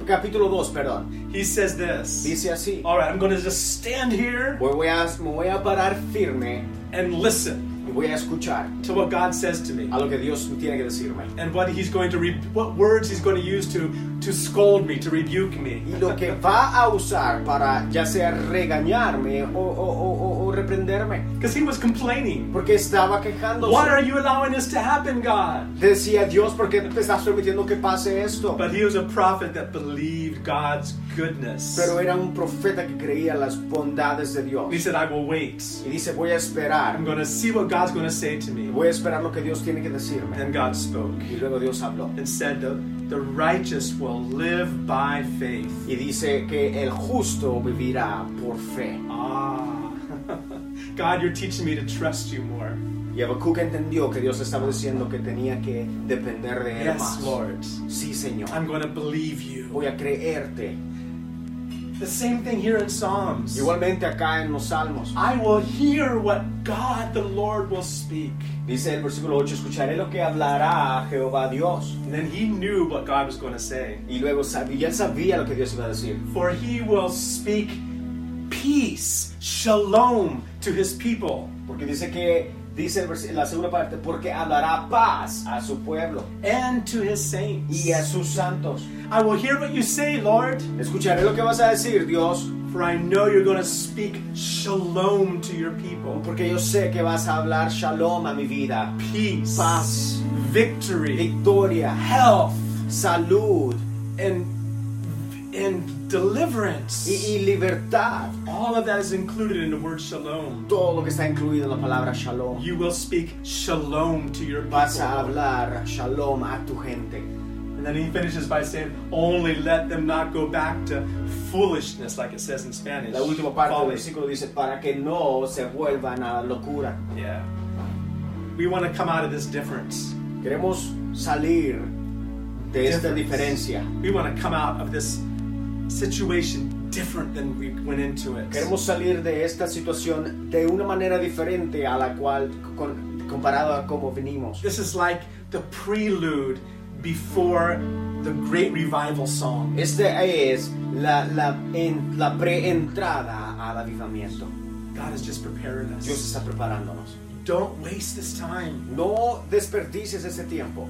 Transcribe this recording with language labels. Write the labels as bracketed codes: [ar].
[es] Capítulo 2, perdón. [en] He says this. [es] Dice así. [en] All right, I'm going to just stand here. [es] Me voy a parar firme. [en] And listen. [es] Y voy a escuchar. [en] To what God says to me. [es] A lo que Dios tiene que decirme. [en] And what he's going to, what words he's going to use to scold me, to rebuke me. [es] Y lo que va a usar para ya sea regañarme o reprenderme. [en] Because he was complaining. [es] Porque estaba quejándose. [en] What are you allowing this to happen, God? [es] Decía Dios, ¿por qué te estás permitiendo que pase esto? [en] But he was a prophet that believed God's goodness. [es] Pero era un profeta que creía las bondades de Dios. [en] He said, I will wait. [es] Y dice, voy a esperar. [en] I'm going to see what God's going to say to me. [es] Voy a esperar lo que Dios tiene que decirme. [en] And God spoke. [es] Y luego Dios habló. [en] And said, the righteous will live by faith. [es] Y dice que el justo vivirá por fe. [en] Ah, God, you're teaching me to trust you more. [es] Y Habacuc entendió que Dios estaba diciendo que tenía que depender de él [en] yes, [es] más. [en] Yes, Lord. [es] Sí, Señor. [en] I'm going to believe you. [es] Voy a creerte. [en] The same thing here in Psalms. [es] Igualmente acá en los Salmos. [en] I will hear what God the Lord will speak. [es] Dice el versículo 8, escucharé lo que hablará Jehová Dios. [en] And then he knew what God was going to say. [es] Y luego ya sabía lo que Dios iba a decir. [en] For he will speak peace, shalom to his people. [es] Porque dice la segunda parte, porque hablará paz a su pueblo. [en] And to his saints. [es] Y a sus santos. [en] I will hear what you say, Lord. [es] Escucharé lo que vas a decir, Dios. [en] For I know you're going to speak shalom to your people. [es] Porque yo sé que vas a hablar shalom a mi vida. [en] Peace. [es] Paz. [en] Victory. [es] Victoria. [en] Health. [es] Salud. [en] And deliverance. [es] Y libertad. [en] All of that is included in the word shalom. [es] Todo lo que está incluido en la palabra shalom. [en] You will speak shalom to your people. [es] Vas a hablar shalom a tu gente. [en] And then he finishes by saying, only let them not go back to foolishness, like it says in Spanish. [es] La última parte del versículo dice, para que no se vuelvan a la locura. [en] Yeah. We want to come out of this difference. [es] Queremos salir de difference. Esta diferencia. [en] We want to come out of this situation different than we went into it. [es] Queremos salir de esta situación de una manera diferente a la cual, comparado a como vinimos. [en] This is like the prelude before the great revival song. [es] Este es la preentrada al avivamiento. [en] God is just preparing us. [es] Dios está preparándonos. [en] Don't waste this time. [es] No desperdicies ese tiempo.